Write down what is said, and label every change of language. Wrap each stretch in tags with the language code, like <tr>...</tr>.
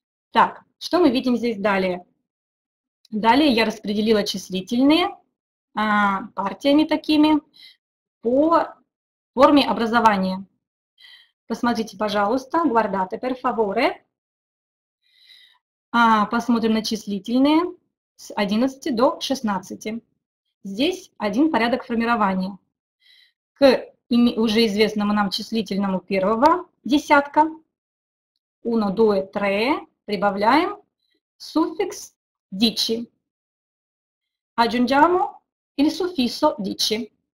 <ru>Так, что мы видим здесь далее? Далее я распределила числительные партиями такими по форме образования. Посмотрите, пожалуйста,</ru> <it>guardate per favore.</it> <ru>Посмотрим на числительные с 11 до 16. Здесь один порядок формирования. К уже известному нам числительному первого десятка,</ru> <it>uno, due, tre,</it> <ru>прибавляем суффикс dici.</ru> <it>Aggiungiamo il suffisso dici.</it>